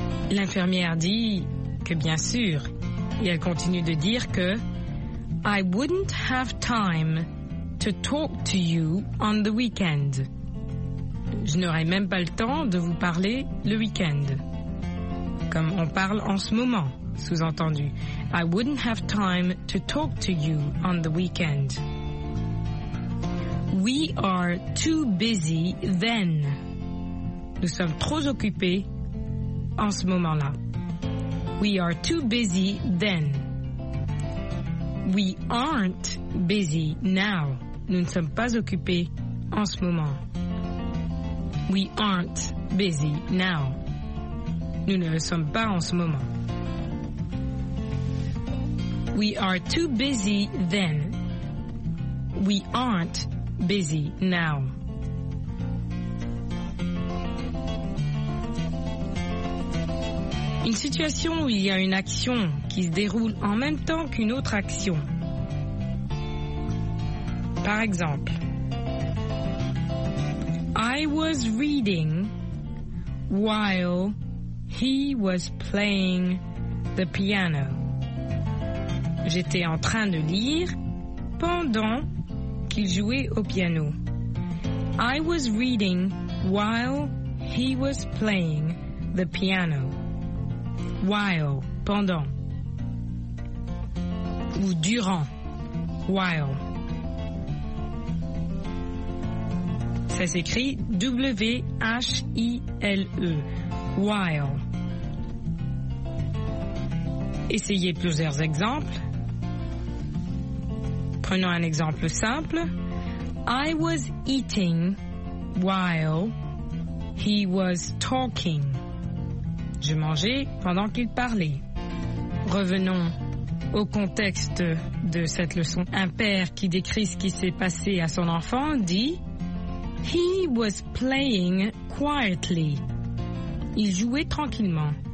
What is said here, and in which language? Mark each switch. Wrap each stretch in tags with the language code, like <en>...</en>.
<fr>L'infirmière dit que bien sûr, et elle continue de dire que «</fr> <en>I wouldn't have time » to talk to you on the weekend.</en> <fr>Je n'aurai même pas le temps de vous parler le week-end. Comme on parle en ce moment, sous-entendu.</fr> <en>I wouldn't have time to talk to you on the weekend. We are too busy then.</en> <fr>Nous sommes trop occupés en ce moment-là.</fr> <en>We are too busy then. We aren't busy now.</en> <fr>Nous ne sommes pas occupés en ce moment.</fr> <en>We aren't busy now.</en> <fr>Nous ne le sommes pas en ce moment.</fr> <en>We are too busy then. We aren't busy now.</en> <fr>Une situation où il y a une action qui se déroule en même temps qu'une autre action. Par exemple,</fr> <en>I was reading while he was playing the piano.</en> <fr>J'étais en train de lire pendant qu'il jouait au piano.</fr> <en>I was reading while he was playing the piano.</en> <fr>While, pendant. Ou durant. While. Ça s'écrit W-H-I-L-E. While. Essayez plusieurs exemples. Prenons un exemple simple.</fr> <en>I was eating while he was talking.</en> <fr>Je mangeais pendant qu'il parlait. Revenons au contexte de cette leçon. Un père qui décrit ce qui s'est passé à son enfant dit «</fr> <en>He was playing quietly.</en> <fr>» Il jouait tranquillement.</fr>